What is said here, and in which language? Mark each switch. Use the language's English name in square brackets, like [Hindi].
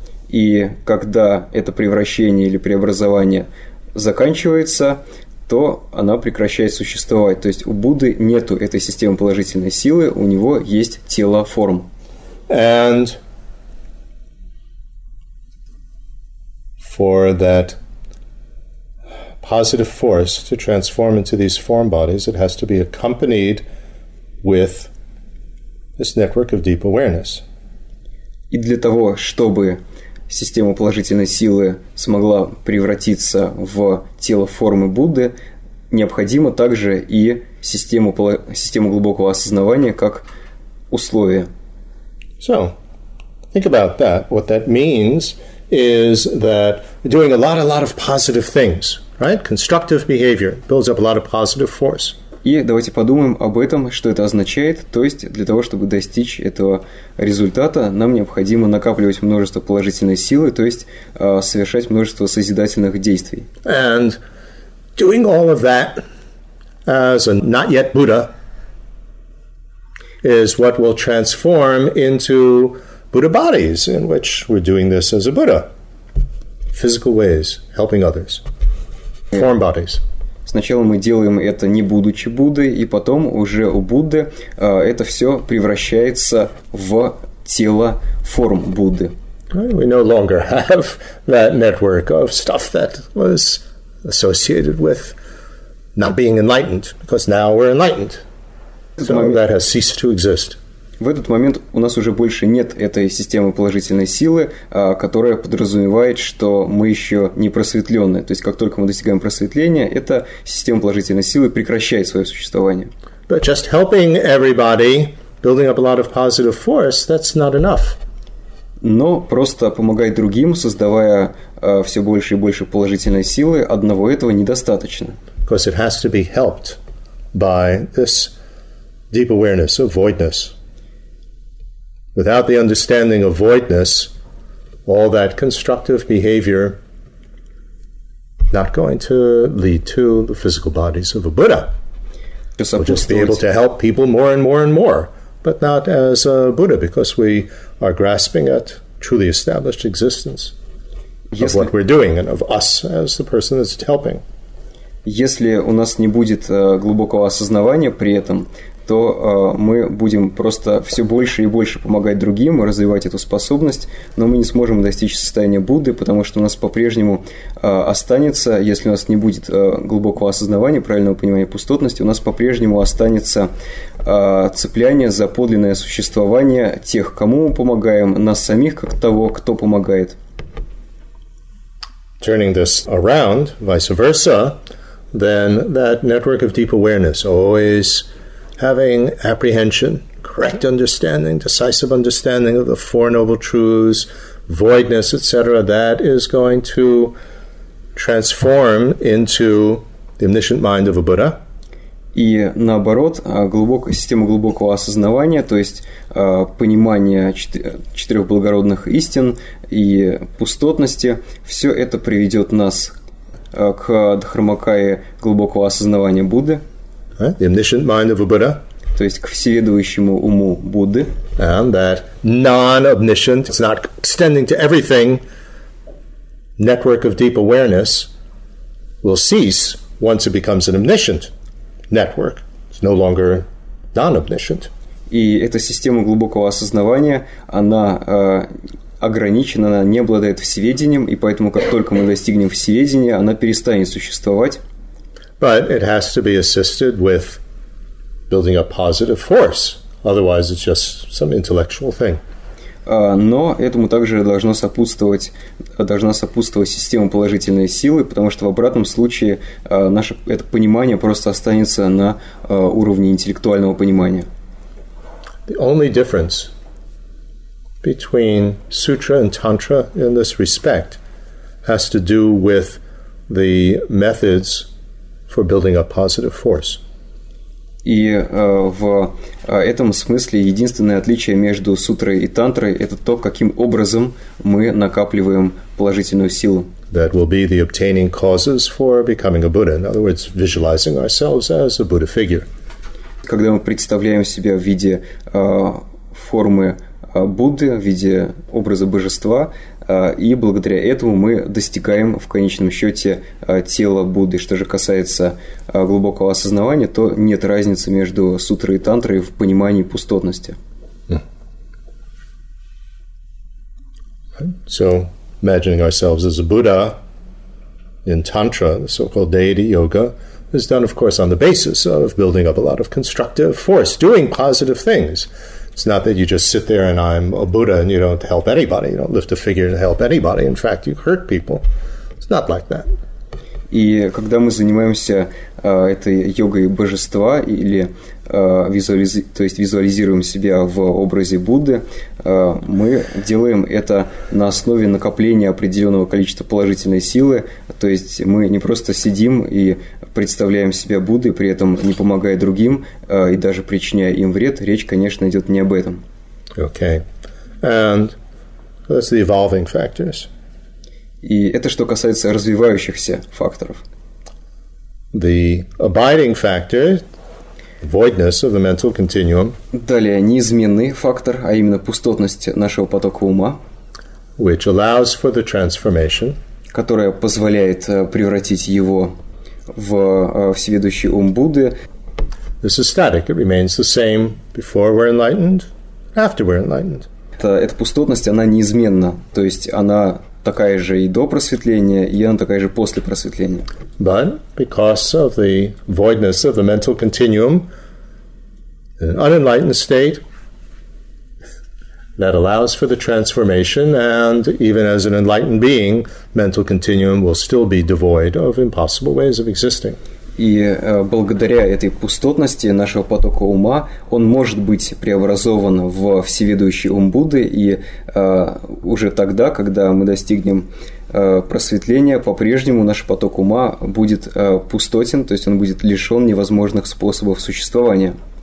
[Russian] И когда это превращение или преобразование заканчивается, то она прекращает существовать. То есть у Будды нету этой системы положительной силы, у него есть тело форм. [English] And for that positive force to transform into these form bodies, it has to be accompanied with this network of deep awareness. [Russian] И для того, чтобы система положительной силы смогла превратиться в тело формы Будды, необходимо также и система глубокого осознавания как условие. [English] So, think about that. What that means is that doing a lot of positive things, right? Constructive behavior builds up a lot of positive force. [Russian] И давайте подумаем об этом, что это означает. То есть для того, чтобы достичь этого результата, нам необходимо накапливать множество положительной силы, то есть совершать множество созидательных действий. [English] And doing all of that as a not yet Buddha is what will transform into Buddha bodies, in which we're doing this as a Buddha. Physical ways, helping others. Form bodies. [Russian] Сначала мы делаем это не будучи Буддой, и потом уже у Будды это все превращается в тело форм Будды. [English] We no longer have that network of stuff that was associated with not being enlightened, because now we're enlightened. So that has ceased to exist. [Russian] В этот момент у нас уже больше нет этой системы положительной силы, которая подразумевает, что мы еще не просветленные. То есть, как только мы достигаем просветления, эта система положительной силы прекращает свое существование. [English] But just helping everybody, building up a lot of positive force, that's not enough. [Russian] Но просто помогать другим, создавая все больше и больше положительной силы, одного этого недостаточно. [English] Because it has to be helped by this deep awareness of voidness. Without the understanding of voidness, all that constructive behavior not going to lead to the physical bodies of a Buddha. We'll just be able to help people more and more and more, but not as a Buddha, because we are grasping at truly established existence of what we're doing and of us as the person that's helping. [Russian] если у нас не будет глубокого осознавания при этом, то мы будем просто все больше и больше помогать другим, развивать эту способность, но мы не сможем достичь состояния Будды, потому что у нас по-прежнему останется, если у нас не будет глубокого осознавания, правильного понимания пустотности, у нас по-прежнему останется цепляние за подлинное существование тех, кому мы помогаем, нас самих, как того, кто помогает. [English] Turning this around, vice versa, then that network of deep awareness always... Having apprehension, correct understanding, decisive understanding of the Four Noble Truths, voidness, etc., that is going to transform into the omniscient mind of a Buddha. [Russian] И наоборот, система глубокого осознавания, то есть понимание четырех благородных истин и пустотности, все это приведет нас к дхармакае глубокого осознавания Будды. [English] The omniscient mind of a Buddha. [Russian] То есть к всеведущему уму Будды. [English] And that non-omniscient, it's not extending to everything, network of deep awareness will cease once it becomes an omniscient network. It's no longer non-omniscient. [Russian] И эта система глубокого осознавания, она ограничена, она не обладает всеведением, и поэтому как только мы достигнем всеведения, она перестанет существовать. [English] But it has to be assisted with building a positive force. Otherwise, it's just some intellectual thing. [Russian] Но этому также должна сопутствовать система положительной силы, потому что в обратном случае наше это понимание просто останется на уровне интеллектуального понимания. [English] The only difference between sutra and tantra in this respect has to do with the methods for building a positive force. [Russian] И в этом смысле единственное отличие между сутрой и тантрой – это то, каким образом мы накапливаем положительную силу. [English] That will be the obtaining causes for becoming a Buddha. In other words, visualizing ourselves as a Buddha figure. [Russian] Когда мы представляем себя в виде формы Будды, в виде образа божества, и благодаря этому мы достигаем в конечном счете тела Будды. Что же касается глубокого осознавания, то нет разницы между сутрой и тантрой в понимании пустотности. [English] So, imagining ourselves as a Buddha in Tantra, the so-called deity yoga, is done, of course, on the basis of building up a lot of constructive force, doing positive things. It's not that you just sit there and I'm a Buddha and you don't help anybody, you don't lift a figure to help anybody. In fact, you hurt people. It's not like that. [Russian] И когда мы занимаемся этой йогой божества или визуализируем себя в образе Будды, мы делаем это на основе накопления определенного количества положительной силы. То есть мы не просто сидим и представляем себя Буддой, при этом не помогая другим и даже причиняя им вред. Речь, конечно, идет не об этом. [English] Okay. And that's the evolving factors. [Russian] И это что касается развивающихся факторов. [English] The abiding factor, voidness of the mental continuum. [Russian] Далее, неизменный фактор, а именно пустотность нашего потока ума. [English] Which allows for the transformation. [Russian] Которая позволяет превратить его в всеведущий ум Будды. [English] This is static. It remains the same before we're enlightened, after we're enlightened. [Russian] Эта пустотность, она неизменна. То есть, она... такая же и до просветления, и она такая же после просветления. [English] But because of the voidness of the mental continuum, an unenlightened state, that allows for the transformation, and even as an enlightened being, mental continuum will still be devoid of impossible ways of existing. [Russian] И благодаря этой пустотности нашего потока ума, он может быть преобразован в всеведущий ум Будды, и уже тогда, когда мы достигнем просветления, по-прежнему наш поток ума будет пустотен, то есть он будет лишен невозможных способов существования.